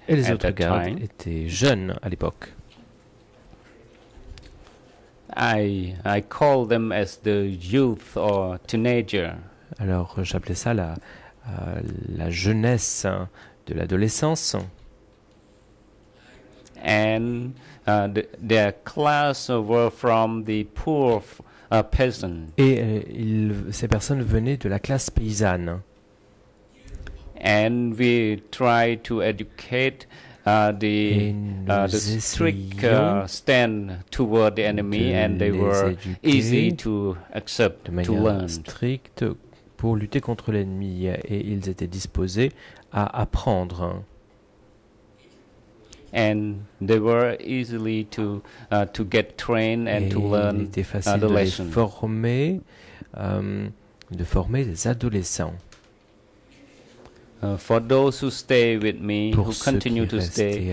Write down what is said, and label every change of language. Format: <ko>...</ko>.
<fr>Et les autres gardes étaient jeunes à l'époque.</fr> <en>I call them as the youth or teenager.</en> <fr>Alors j'appelais ça la la jeunesse de l'adolescence.</fr> <en>And their class were from the poor peasant.</en> <fr>Et ces personnes venaient de la classe paysanne.</fr> <en>And we try to educate the strict stand toward the enemy, and they were easy to accept,</en> <fr>de manière</fr> <en>to learn.</en> <fr>Strict pour lutter contre l'ennemi, et ils étaient disposés à apprendre.</fr> <en>And they were easily to get trained and</en> <fr>et</fr> <en>to learn the lesson.</en> <fr>De les former, de former les adolescents.</fr> <en>For those who stay with me,</en> <fr>pour</fr> <en>who continue to stay,</en>